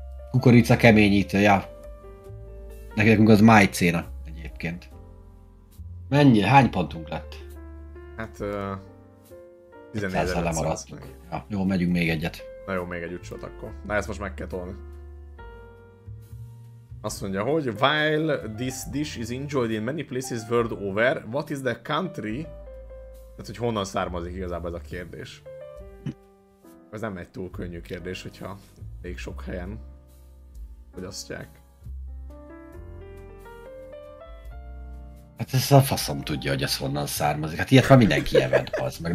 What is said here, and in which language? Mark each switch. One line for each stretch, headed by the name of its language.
Hungarian: Kukorica keményítő, ja. Nekünk az majcéna. Mennyi? Hány pontunk lett? Hát... 14.500. Ja, jó, megyünk még egyet. Na jó, még egy utcsot akkor. Na ezt most meg kell tolni. Azt mondja, hogy
English: while this dish is enjoyed in many places world over, what is the country?
Hungarian: Tehát, hogy honnan származik igazából ez a kérdés? Ez nem egy túl könnyű kérdés, hogyha még sok helyen fogyasztják. Hát ez a faszom tudja, hogy ez honnan származik. Hát ilyet már mindenki evett, az meg.